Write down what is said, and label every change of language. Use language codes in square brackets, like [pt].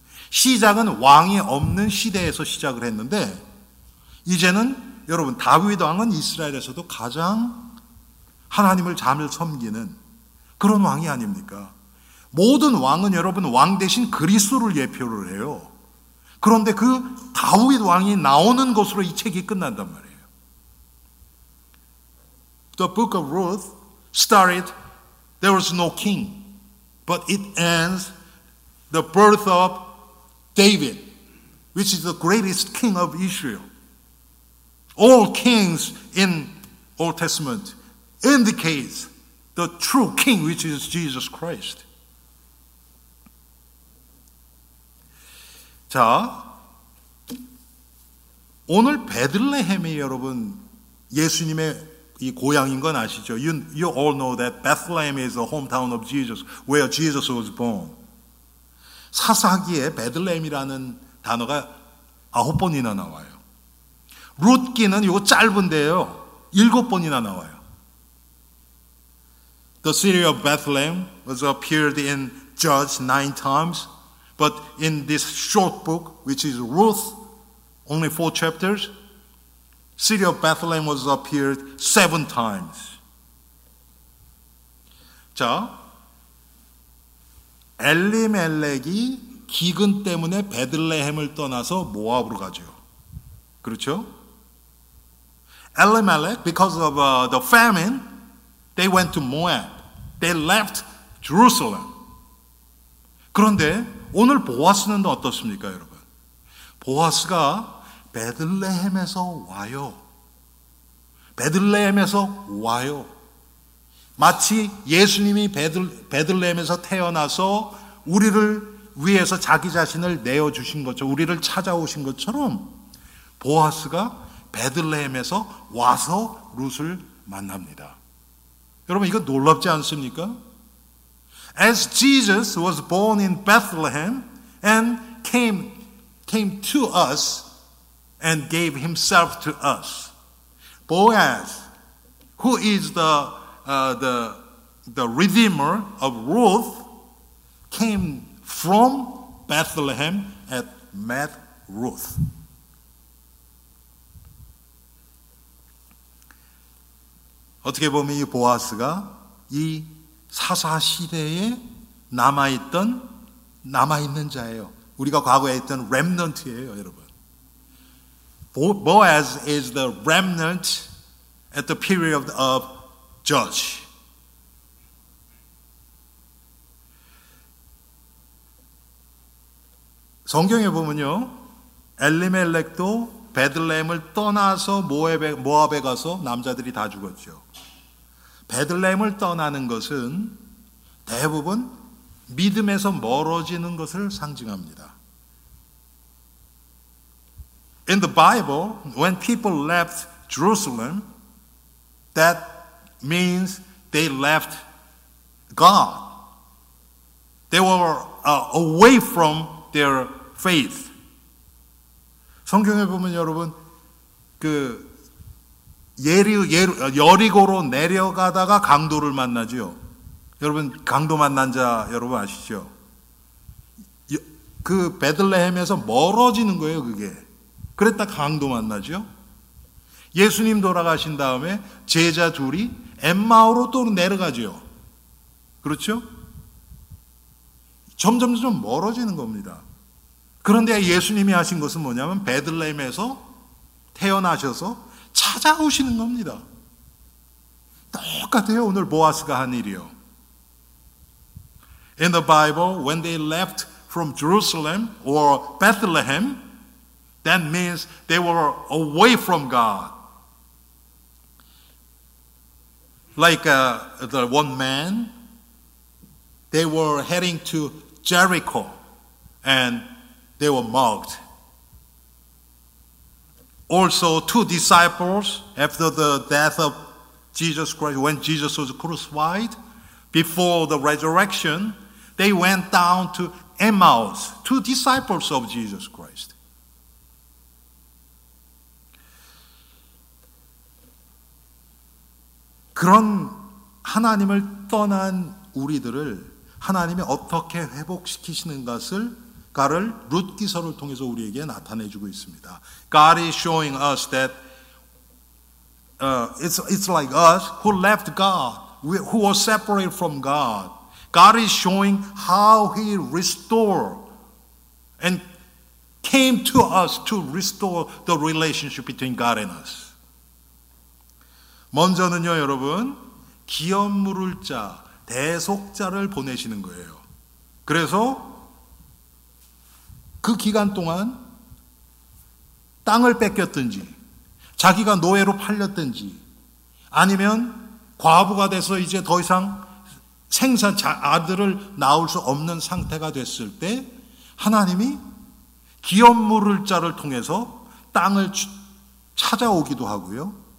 [ko] 시작은 왕이 없는 시대에서 시작을 했는데 이제는 여러분 다윗 왕은 이스라엘에서도 가장 하나님을 잘 섬기는 그런 왕이 아닙니까? 모든 왕은 여러분 왕 대신 그리스도를 예표를 해요. 그런데 그 다윗 왕이 나오는 것으로 이 책이 끝난단 말이에요. [en] The book of Ruth started there was no king but it ends the birth of David which is the greatest king of Israel. All kings in Old Testament indicates the true king which is Jesus Christ. [ko] 자 오늘 베들레헴이 여러분 예수님의 이 고향인 건 아시죠? [en] You all know that Bethlehem is the hometown of Jesus, where Jesus was born. [ko] 사사기에 베들레헴이라는 단어가 아홉 번이나 나와요. 룻기는 이거 짧은데요. 일곱 번이나 나와요. [en] The city of Bethlehem was appeared in Judges 9 times, but in this short book, which is Ruth, only 4 chapters, city of Bethlehem was appeared 7 times. [ko] 자, 엘리멜렉이 기근 때문에 베들레헴을 떠나서 모압으로 가죠. 그렇죠? [en] Elimelech, because of the famine, they went to Moab. They left Jerusalem. [ko] 그런데 오늘 보아스는 어떻습니까, 여러분? 보아스가 베들레헴에서 와요. 베들레헴에서 와요. 마치 예수님이 베들레헴에서 태어나서 우리를 위해서 자기 자신을 내어주신 것처럼, 우리를 찾아오신 것처럼 보아스가 베들레헴에서 와서 룻을 만납니다. 여러분 이거 놀랍지 않습니까? [en] As Jesus was born in Bethlehem and came to us and gave himself to us. Boaz, who is the redeemer of Ruth, came from Bethlehem and met Ruth. [ko] 어떻게 보면 이 보아스가 이 사사 시대에 남아있는 자예요. 우리가 과거에 있던 렘넌트예요, 여러분. [en] Boaz is the remnant at the period of Judge. [ko] 성경에 보면요, 엘리멜렉도 베들레헴을 떠나서 모압에 가서 남자들이 다 죽었죠. 베들레헴을 떠나는 것은 대부분 믿음에서 멀어지는 것을 상징합니다. [en] In the Bible, when people left Jerusalem, that means they left God. They were away from their faith. [ko] 성경에 보면 여러분, 여리고로 내려가다가 강도를 만나죠. 여러분 강도 만난 자 여러분 아시죠? 그 베들레헴에서 멀어지는 거예요 그게. 그랬다 강도 만나죠. 예수님 돌아가신 다음에 제자 둘이 엠마오로 또 내려가죠. 그렇죠? 점점 멀어지는 겁니다. 그런데 예수님이 하신 것은 뭐냐면 베들레헴에서 태어나셔서 찾아오시는 겁니다. 똑같아요. 오늘 보아스가 한 일이요. [en] In the Bible, when they left from Jerusalem or Bethlehem, that means they were away from God. Like the one man, they were heading to Jericho and they were mugged. Also, two disciples, after the death of Jesus Christ, when Jesus was crucified, Before the resurrection, they went down to Emmaus, two disciples of Jesus Christ. [ko] Kron 하나님을 떠난 우리들을 하나님이 어떻게 회복시키시는 것을가를 룻기서를 통해서 우리에게 나타내 주고 있습니다. [en] God is showing us that it's like us who left God, who was separated from God. God is showing how he restored and came to us to restore the relationship between God and us. [ko] 먼저는요, 여러분, 기업무를 자, 대속자를 보내시는 거예요. 그래서 그 기간 동안 땅을 뺏겼든지 자기가 노예로 팔렸든지 아니면 과부가 돼서 이제 더 이상 생산 아들을 낳을 수 없는 상태가 됐을 때 하나님이 기업무를 자를 통해서 땅을 찾아오기도 하고요.